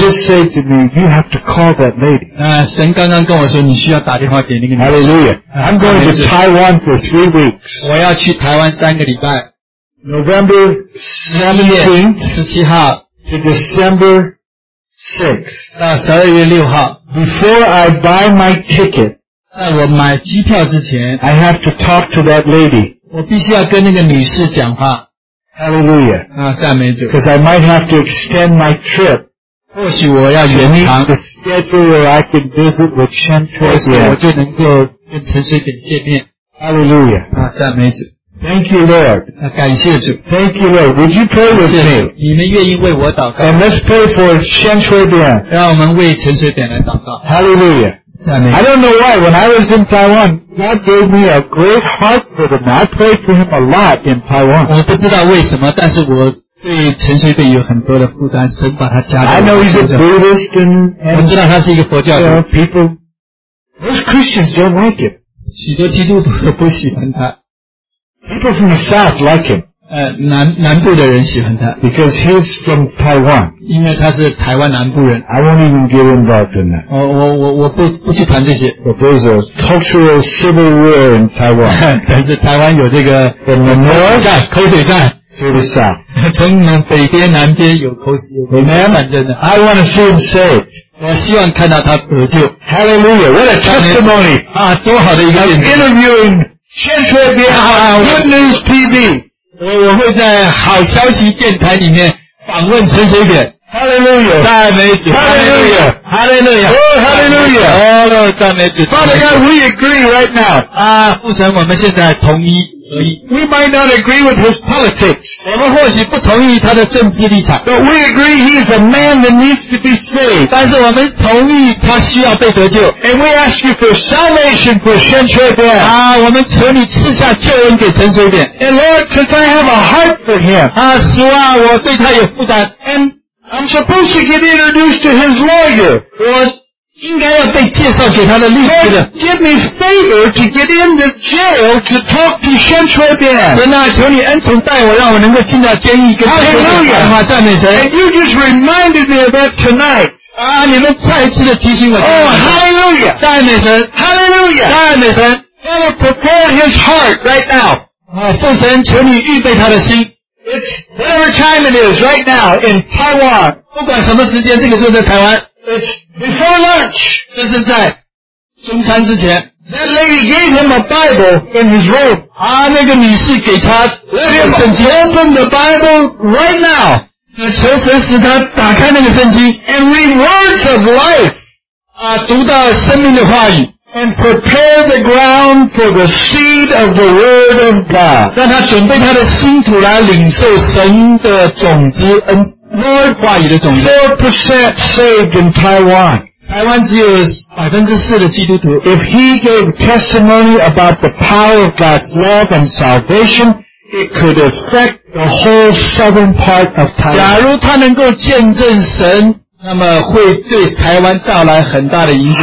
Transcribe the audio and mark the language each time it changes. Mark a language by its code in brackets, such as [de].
[en] You have to call that lady. [zh] 神刚刚跟我说你需要打电话给那个律师。 [en] Hallelujah. I'm going to Taiwan for 3 weeks. [zh] 我要去台湾3个礼拜。 [en] November 17th to December 6th. [zh] 到12月6号, [en] before I buy my ticket, [zh] 在我买机票之前, [en] I have to talk to that lady. [zh] 我必须要跟那个女士讲话。 [en] Hallelujah. [zh] 赞美主。 [en] Because I might have to extend my trip. [zh] 或许我要延长, [en] to meet the schedule where I can visit with Shen Shui-bian. Hallelujah. [zh] 赞美主。 [en] Thank you, Lord. [zh] 感谢主。 [en] Thank you, Lord. Would you pray with me? [zh] 你们愿意为我祷告。 [en] And let's pray for Shen Shui-bian. [zh] 让我们为陈水扁来祷告。 [en] Hallelujah. I don't know why, when I was in Taiwan, God gave me a great heart for them. I prayed for him a lot in Taiwan. [zh] 我不知道为什么,但是我对陈水扁有很多的负担, 神把他加给我, [en] I know he's a Buddhist and [zh] 我知道他是一个佛教徒, [en] you know, people, most Christians don't like him. [zh] 许多基督徒都不喜欢他。 [en] People from the South like him. [zh] 南部的人喜欢他。 [en] Because he's from Taiwan. [zh] 因为他是台湾南部人。 [en] I won't even get involved in that. [zh] 我不去谈这些。 [en] But there's a cultural civil war in Taiwan. [zh] 但是台湾有这个口水战, 口水战。 To the South. 从北边南边有口水战。 [en] I want to see him saved. [zh] 我希望看到他得救。 [en] Hallelujah, what a testimony. [zh] 多好的一个见证。 [en] Interviewing Shen Shui-bian, Good News TV. [zh] 我会在好消息电台里面访问陈水扁。 [en] Hallelujah. [zh] 赞美主。 [en] Hallelujah. Hallelujah. Oh, Hallelujah. [zh] Oh, 赞美主。 [en] Father God, we agree right now. [zh] 父神，我们现在同意合意。 [en] We might not agree with his politics. [zh] 我们或许不同意他的政治立场。 [en] But we agree he is a man that needs to be saved. [zh] 但是我们同意他需要被得救。 [en] And we ask you for salvation for Shen Shui-bian. [zh] 我们求你赐下救恩给陈水扁。 [en] And Lord, since I have a heart for him. [zh] 主啊，我对他有负担。 [en] And I'm supposed to get introduced to his lawyer. [zh] 我应该要被介绍给他的律师的。 [en] Give me favor to get into jail to talk to Shen Shui-bian. [zh] 神啊，求你恩宠待我，让我能够进到监狱跟陈水扁谈话，赞美神。 [en] And you just reminded me of that tonight. [zh] 你们再一次的提醒我。 [en] Oh, hallelujah. [zh] 赞美神。 [en] Hallelujah. [zh] 赞美神。 [en] Father, prepare his heart right now. [zh] 父神，求你预备他的心。 [en] It's whatever time it is right now in Taiwan. [zh] 不管什么时间，这个时候在台湾。 [en] It's before lunch. [zh] 这是在中餐之前。 [en] That lady gave him a Bible in his robe. [zh] 那个女士给他圣经。 [en] Let him open the Bible right now. [zh] 求神使他打开那个圣经。 [en] And read words of life. [zh] 读到生命的话语。 [en] And prepare the ground for the seed of the word of God. [zh] 让他准备他的心土来领受神的种子，恩，话语的种子。 [en] 4% saved in Taiwan. [zh] 台湾只有4%的基督徒。 [en] If he gave testimony about the power of God's love and salvation, it could affect the whole southern part of Taiwan. [zh] 假如他能够见证神， 那么会对台湾造来很大的影响。